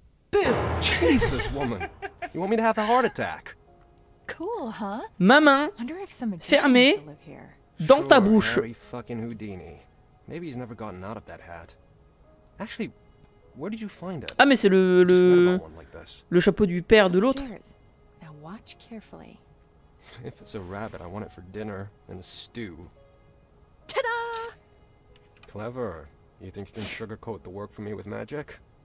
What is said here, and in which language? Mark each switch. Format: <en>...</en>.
<en>Boom! Jesus, woman! You want me to have a heart attack? Cool, huh?</en> <fr>Ma main fermée dans ta bouche.</fr> <en>Sure, Harry fucking Houdini. Maybe he's never gotten out of that hat. Actually. Where did you find it?</en> <fr>Ah, mais c'est le chapeau du père de l'autre.</fr> <en>Now watch carefully. If it's a rabbit, I want it for dinner and a stew. Ta-da! Clever. You think you can sugarcoat the work for me with magic?</en>